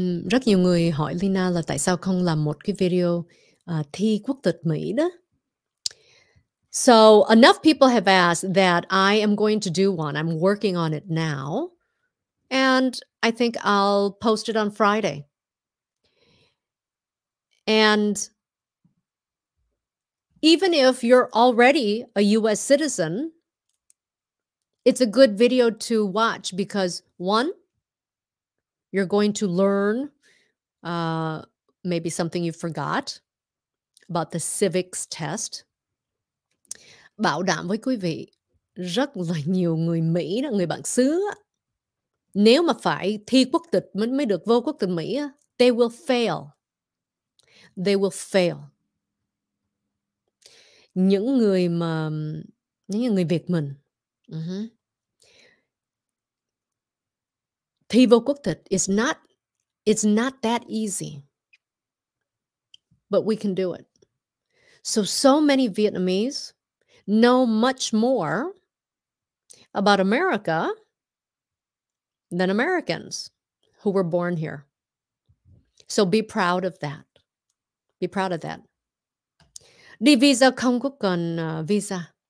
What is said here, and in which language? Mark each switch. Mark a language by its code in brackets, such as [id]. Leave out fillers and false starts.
[vi] Rất nhiều người hỏi Leyna là tại sao không làm một cái video thi quốc tịch Mỹ đó. [en] So enough people have asked that I am going to do one. I'm working on it now. And I think I'll post it on Friday. And even if you're already a US citizen, it's a good video to watch because one, You're going to learn maybe something you forgot about the civics test. [vi] Bảo đảm với quý vị, rất là nhiều người Mỹ, người bản xứ, nếu mà phải thi quốc tịch mới được vô quốc tịch Mỹ, [en] they will fail. They will fail. [vi] Những người mà, những người Việt mình, thi vô quốc tịch, [en] it's not that easy. But we can do it. So many Vietnamese know much more about America than Americans who were born here. So be proud of that. Be proud of that. [vi] Đi visa không có cần visa.